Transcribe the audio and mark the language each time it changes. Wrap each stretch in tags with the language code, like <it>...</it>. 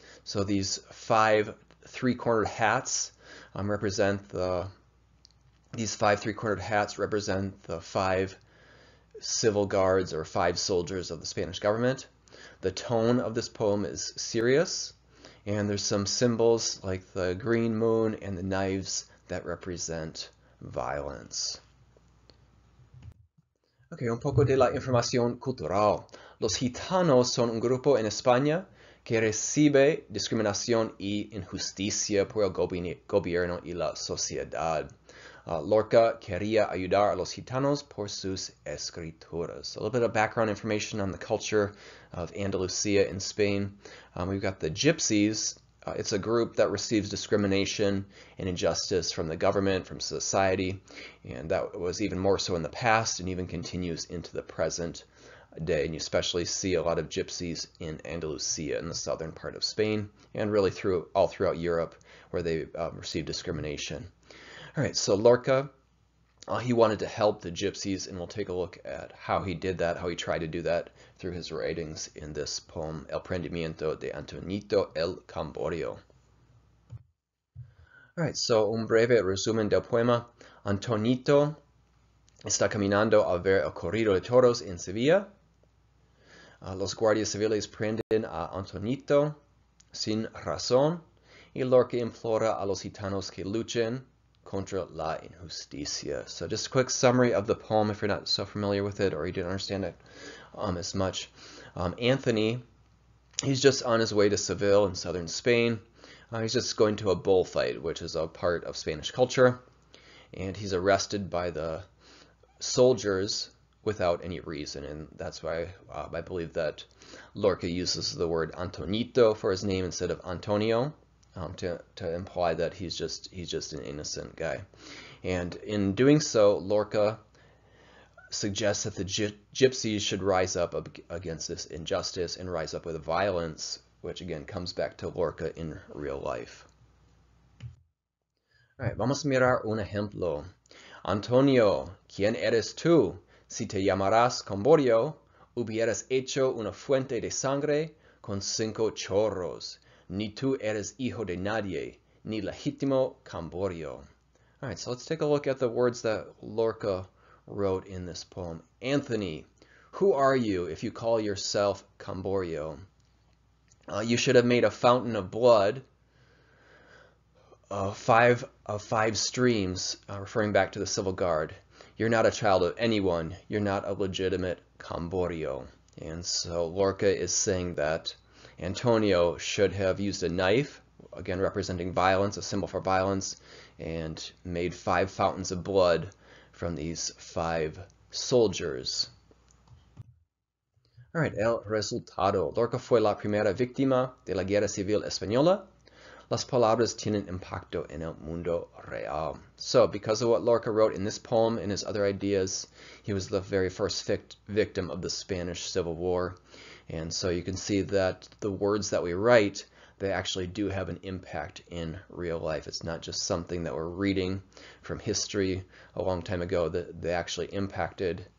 <en>So these five three-cornered hats represent the five civil guards or five soldiers of the Spanish government. The tone of this poem is serious, and there's some symbols like the green moon and the knives that represent violence.</en> <es>Okay, un poco de la información cultural. Los gitanos son un grupo en España que recibe discriminación y injusticia por el gobierno y la sociedad. Lorca quería ayudar a los gitanos por sus escrituras.</es> <en>A little bit of background information on the culture of Andalusia in Spain. We've got the gypsies. It's a group that receives discrimination and injustice from the government, from society, and that was even more so in the past and even continues into the present day. And you especially see a lot of gypsies in Andalusia, in the southern part of Spain, and really all throughout Europe, where they receive discrimination. All right, so Lorca, he wanted to help the gypsies, and we'll take a look at how he did that, how he tried to do that through his writings in this poem, El prendimiento de Antoñito el Camborio. Right, so</en> <es>un breve resumen del poema. Antoñito está caminando a ver el corrido de toros en Sevilla. Los guardias civiles prenden a Antoñito sin razón, y Lorca implora a los gitanos que luchen contra la injusticia.</es> <en>So just a quick summary of the poem if you're not so familiar with it or you didn't understand it as much. Anthony, he's just on his way to Seville in southern Spain. He's just going to a bullfight, which is a part of Spanish culture, and he's arrested by the soldiers without any reason, and that's why I believe that Lorca uses the word Antonito for his name instead of Antonio. To imply that he's just an innocent guy. And in doing so, Lorca suggests that the gypsies should rise up against this injustice and rise up with violence, which again comes back to Lorca in real life. Right,</en> <es>vamos a mirar un ejemplo. Antonio, ¿quién eres tú? Si te llamaras Camborio, hubieras hecho una fuente de sangre con cinco chorros. Ni tú eres hijo de nadie, ni legítimo Camborio.</es> <en>All right, so let's take a look at the words that Lorca wrote in this poem. Anthony, who are you if you call yourself Camborio? You should have made a fountain of blood, five of five streams, referring back to the civil guard. You're not a child of anyone. You're not a legitimate Camborio. And so Lorca is saying that Antonio should have used a knife, again representing violence, a symbol for violence, and made five fountains of blood from these five soldiers. All right,</en> <es>el resultado. Lorca fue la primera víctima de la Guerra Civil Española. Las palabras tienen impacto en el mundo real.</es> <en>So, because of what Lorca wrote in this poem and his other ideas, he was the very first victim of the Spanish Civil War. And so you can see that the words that we write, they actually do have an impact in real life. It's not just something that we're reading from history a long time ago, that they actually impacted.</en>